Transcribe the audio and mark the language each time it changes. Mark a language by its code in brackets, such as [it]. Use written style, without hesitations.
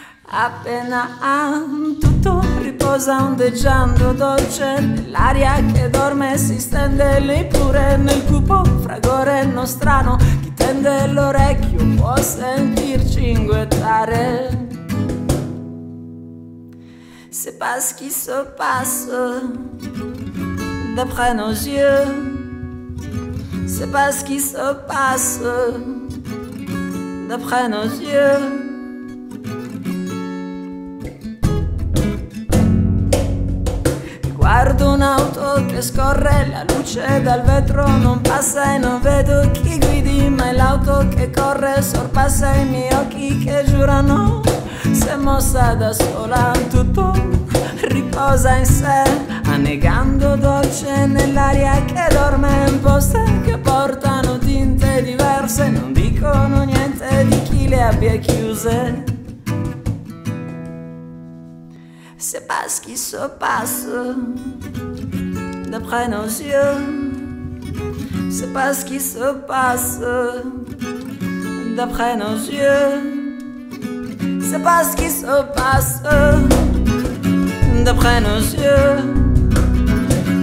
[it] Appena tutto riposa ondeggiando dolce, nell'aria che dorme si stende lì pure nel cupo, fragore nostrano, chi tende l'orecchio può sentirci inguettare. [fr] C'est pas ce qui se passe d'après nos yeux. C'est pas ce qui se passe d'après nos yeux. [it] Guardo un'auto che scorre, la luce dal vetro non passa e non vedo chi guidi, ma è l'auto che corre, sorpassa i miei occhi che giurano, si è mossa da sola, tutto riposa in sé, annegando dolce nell'aria che dorme, imposte che portano tinte diverse, non dicono niente di chi le abbia chiuse. [fr] C'est pas ce qui se passe d'après nos yeux. C'est pas ce qui se passe d'après nos yeux. C'est pas ce qui se passe d'après nos yeux.